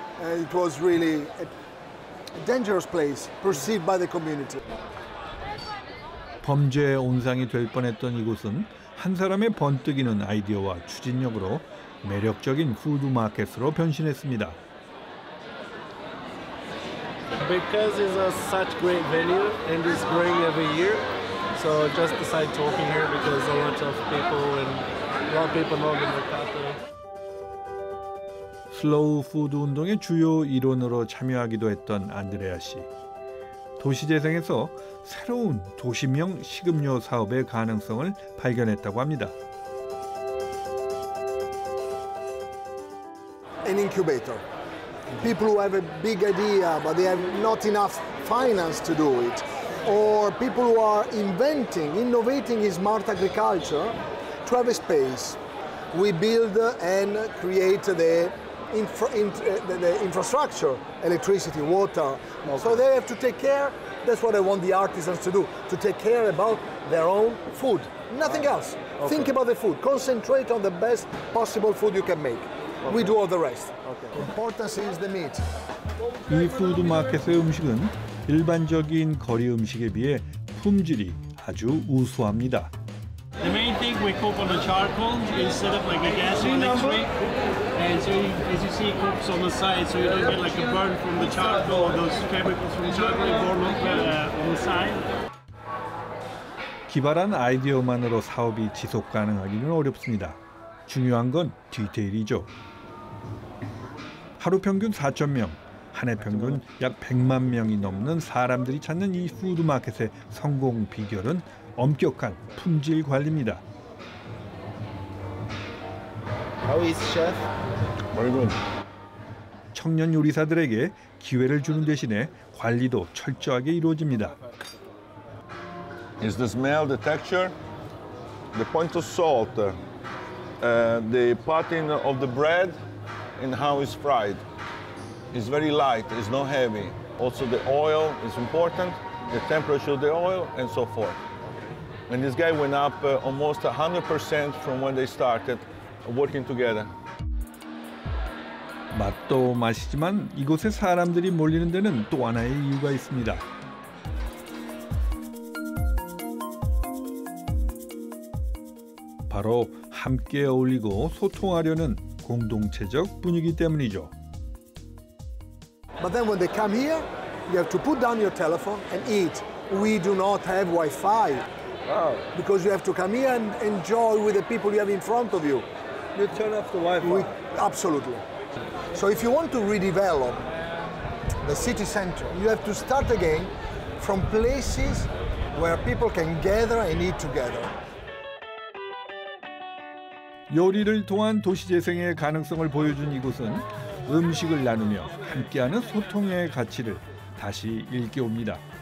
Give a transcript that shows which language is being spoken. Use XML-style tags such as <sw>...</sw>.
<en>It was really a dangerous place perceived by the community.</en> <ko>범죄의 온상이 될 뻔했던 이곳은 한 사람의 번뜩이는 아이디어와 추진력으로 매력적인 푸드 마켓으로 변신했습니다.</ko> <en>Because it's a such great venue and it's growing every year, so just decided to open here because a lot of people and a lot of people know the Mercato.</en> <ko>슬로우 푸드 운동의 주요 일원으로 참여하기도 했던 안드레아 씨. 도시 재생에서 새로운 도시명 식음료 사업의 가능성을 발견했다고 합니다.</ko> <en>An incubator. People who have a big idea but they have not enough finance to do it. Or people who are innovating in smart agriculture to have a space. We build and create the infrastructure, electricity, water. So they have to take care. That's what I want the artisans to do, to take care about their own food. Nothing else. Okay. Think about the food. Concentrate on the best possible food you can make. Okay. We do all the rest. Okay. Importance is the meat.</en> <ko>이 푸드 마켓의 음식은 일반적인 거리 음식에 비해 품질이 아주 우수합니다.</ko> <en>The main thing we cook on the charcoal instead of like a gas electric. And so, as you see, it cooks on the side, so you don't get like a burn from the charcoal, those chemicals from charcoal burn up on the side.</en> <ko>기발한 아이디어만으로 사업이 지속 가능하기는 어렵습니다. 중요한 건 디테일이죠. 하루 평균 4천 명, 한 해 평균 약 100만 명이 넘는 사람들이 찾는 이 푸드 마켓의 성공 비결은 엄격한 품질 관리입니다.</ko> <en>How is chef?</en> <ko>매우</ko> <en>good.</en> <ko>청년 요리사들에게 기회를 주는 대신에 관리도 철저하게 이루어집니다.</ko> <en>Is the smell, the texture, the point of salt, the pattern of the bread, and how it's fried. It's very light, it's not heavy. Also the oil is important, the temperature of the oil, and so forth. And this guy went up almost 100% from when they started working together.</en> <ko>맛도 맛이지만 이곳에 사람들이 몰리는 데는 또 하나의 이유가 있습니다. 바로 함께 어울리고 소통하려는 공동체적 분위기 때문이죠.</ko> <en>But then when they come here, you have to put down your telephone and eat. We do not have Wi-Fi. Oh. Because you have to come here and enjoy with the people you have in front of you. You turn off the Wi-Fi? Absolutely. So if you want to redevelop the city center, you have to start again from places where people can gather and eat together.</en> <ko>요리를 통한 도시 재생의 가능성을 보여준 이곳은 음식을 나누며 함께하는 소통의 가치를 다시 일깨웁니다.</ko>